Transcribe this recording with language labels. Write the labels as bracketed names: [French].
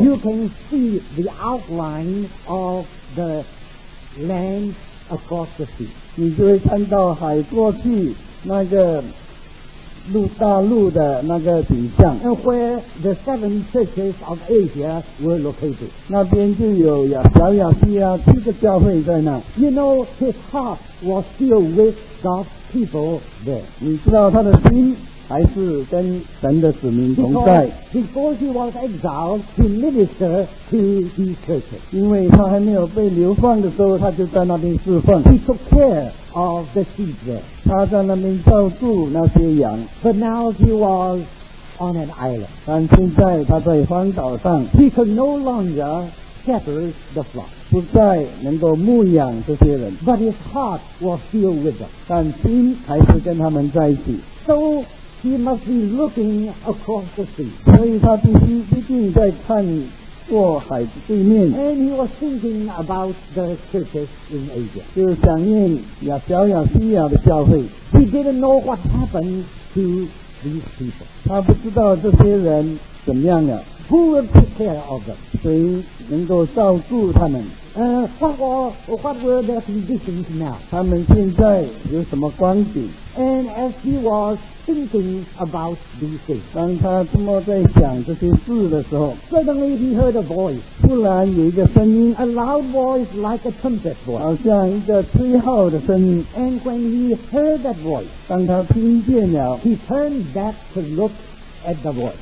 [English] you can see the outline of the land across the sea [Chinese] 你就会看到海过去那个陆大陆的那个景象 [English] and where the seven churches of Asia were located [Chinese] 那边就有小亚细亚七个教会在那 [English] you know his heart was still with God's people there [Chinese] 你知道他的心还是跟神的子民同在 [English] because he was exiled he ministered to his churches [Chinese] 因为他还没有被流放的时候他就在那边侍奉 [English] he took care of the sheep there [Chinese] 他在那边照顾那些羊 [English] but now he was on an island [Chinese] 但现在他在荒岛上 [English] he could no longer shepherd the flock [Chinese] 不再能够牧养这些人 [English] but his heart was still with them [Chinese] 但心还是跟他们在一起 [English] soHe must be looking across the sea. [Chinese] 所以他必定在看过海对面。 [English] And he was thinking about the churches in Asia. [Chinese] 就想念小亚细亚的教会。 [English] He didn't know what happened to these people. [Chinese] 他不知道这些人怎么样了。 [English] Who will take care of them? [Chinese] 谁能够照顾他们？ [English] What were their conditions now? [Chinese] 他们现在有什么光景？ [English] And as he was thinking about these things, [Chinese] 当他这么在想这些事的时候， [English] suddenly he heard a voice. [Chinese] 突然有一个声音， [English] a loud voice like a trumpet voice. [Chinese] 好像一个吹号的声音。 [English] And when he heard that voice, [Chinese] 当他听见了， [English] he turned back to look. At the voice.